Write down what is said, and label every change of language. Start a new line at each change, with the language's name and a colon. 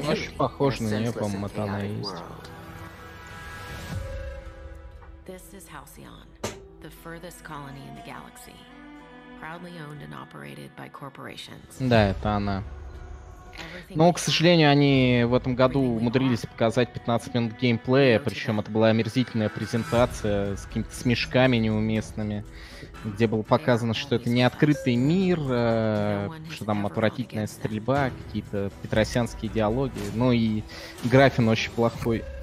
Russian: Очень похож на нее, по-моему, это она и есть.
English: This is Halcyon, the furthest colony in the galaxy. Proudly owned and operated by corporations.
Russian: Да, это она. Но, к сожалению, они в этом году умудрились показать 15 минут геймплея, причем это была омерзительная презентация с какими-то смешками неуместными, где было показано, что это не открытый мир, что там отвратительная стрельба, какие-то петросянские диалоги, ну и графин очень плохой.